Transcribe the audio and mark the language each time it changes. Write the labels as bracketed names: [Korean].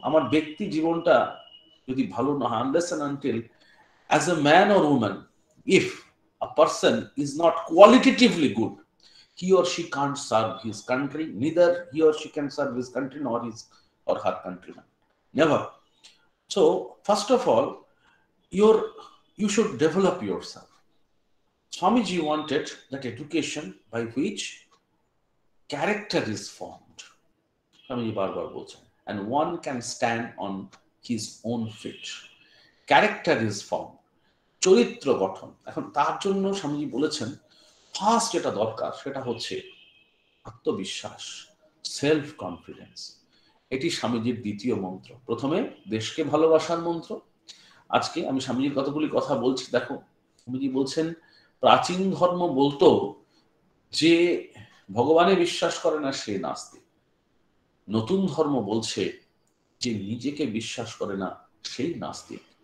[Bangla] আমার ব্যক্তি জীবনটা যদি ভালো না হয়, [English] Unless and until as a man or woman, if a person is not qualitatively good, he or she can't serve his country, neither he or she can serve his country nor his or her country man, never. So first of all your you should develop yourself. Swamiji wanted that education by which character is formed, [Bangla] Swamiji বারবার বলছেন, [English] and one can stand on his own feet, character is formed, [Bangla] charitra gathan. এখন তার জন্য স্বামীজি বলেছেন first যেটা দরকার সেটা হচ্ছে আত্মবিশ্বাস, সেলফ কনফিডেন্স। এটি স্বামীজির দ্বিতীয় মন্ত্র, প্রথমে দেশকে ভালোবাসার মন্ত্র। আজকে আমি স্বামীজির কতগুলি কথা বলছি, দেখো স্বামীজি বলছেন প্রাচীন ধর্ম বলতো যে ভগবানে বিশ্বাস করে না সে নাস্তিক, নতুন ধর্ম বলছে যে নিজেকে বিশ্বাস করে না সেই নাস্তিক।